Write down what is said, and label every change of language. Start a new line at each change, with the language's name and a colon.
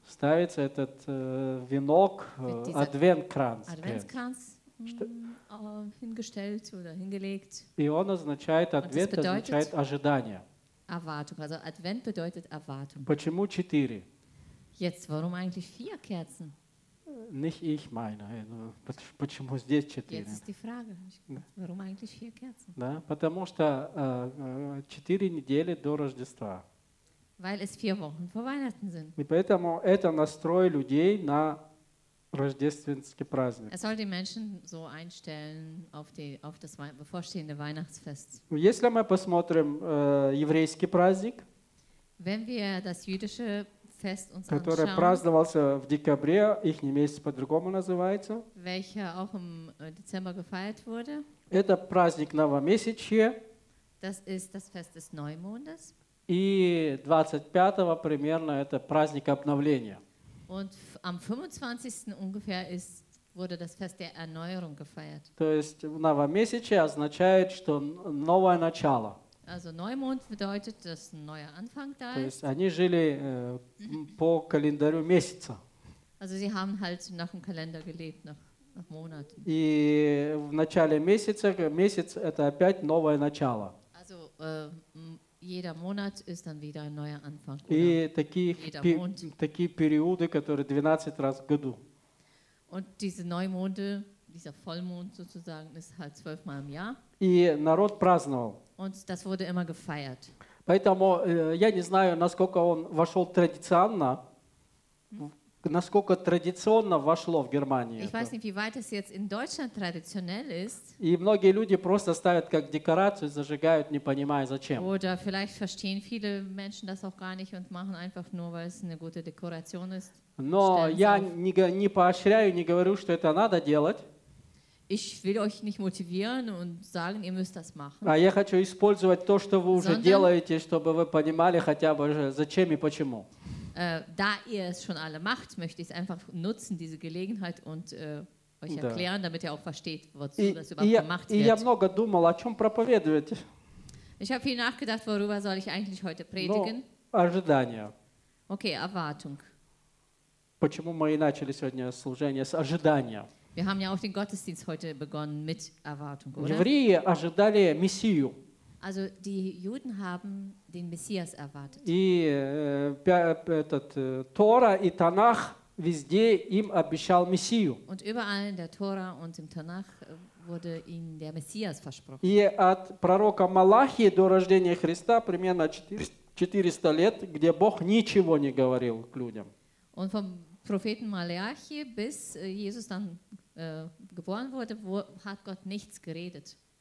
Russian: Ставится этот венок, Adventkranz.
German: Adventskranz hingestellt oder hingelegt. И он означает Advent, означает ожидание. Erwartung. Also Advent bedeutet Erwartung.
Russian: Почему четыре?
German: Jetzt, warum eigentlich vier Kerzen? Nicht ich meine.
Russian: Почему здесь четыре?
German: Jetzt ist die Frage. Warum eigentlich vier Kerzen?
Russian: Да, потому что четыре недели до Рождества.
German: Weil es vier Wochen vor Weihnachten sind.
Russian: И поэтому это настрой людей на рождественский праздник.
German: Es soll die Menschen so einstellen auf die auf das bevorstehende Weihnachtsfest.
Russian: Если мы посмотрим еврейский праздник,
German: wenn wir das jüdische Fest uns
Russian: который
German: anschauen,
Russian: праздновался в декабре, их месяц по-другому называется,
German: welcher auch im Dezember gefeiert wurde,
Russian: это праздник Новомесячия,
German: das ist das Fest des Neumondes,
Russian: и 25-го примерно это праздник обновления.
German: Und am 25. ungefähr ist, wurde das Fest der Erneuerung gefeiert.
Russian: То есть Новомесячие означает, что новое начало.
German: Also Neumond bedeutet, dass ein neuer Anfang da ist.
Russian: То есть они жили по календарю месяца.
German: Also sie haben halt nach dem Kalender gelebt, nach Monaten.
Russian: И в начале месяца, месяц – это опять новое начало.
German: Also jeder Monat ist dann wieder ein neuer Anfang.
Russian: И такие периоды, которые 12 раз в году.
German: Und diese Neumonde, dieser Vollmond sozusagen, ist halt 12 Mal im Jahr.
Russian: И народ праздновал.
German: Und das wurde immer gefeiert.
Russian: Поэтому я не знаю, насколько он вошел традиционно, насколько традиционно вошло в Германию.
German: Ich weiß nicht, wie weit es jetzt in Deutschland traditionell ist.
Russian: И многие люди просто ставят как декорацию, зажигают, не понимая зачем.
German: Oder vielleicht verstehen viele Menschen das auch gar nicht und machen einfach nur, weil es eine gute Dekoration ist.
Russian: Но я не поощряю, не говорю, что это надо делать.
German: Ich will euch nicht motivieren und sagen, ihr müsst das machen.
Russian: А я хочу использовать то, что вы уже делаете, чтобы вы понимали хотя бы зачем и почему.
German: Da ihr es schon alle macht, möchte ich es einfach nutzen, diese Gelegenheit und euch erklären, damit ihr auch versteht, wozu das überhaupt gemacht wird.
Russian: И я много думал, о чем проповедовать.
German: Ich habe viel nachgedacht, worüber soll ich eigentlich heute predigen?
Russian: Ожидание.
German: Okay, Erwartung.
Russian: Почему мы и начали сегодня служение с ожидания?
German: Wir haben ja auch den Gottesdienst heute begonnen mit Erwartung, oder?
Russian: Евреи ожидали Мессию.
German: Also die Juden haben den Messias erwartet.
Russian: И этот Тора и Танах везде им обещал Мессию.
German: Und überall in der Tora und im Tanach wurde ihnen der Messias versprochen.
Russian: И от пророка Малахии до рождения Христа примерно 400 лет, где Бог ничего не говорил к людям.
German: Und vom Propheten Malachi bis Jesus dann geboren wurde, hat Gott nichts geredet.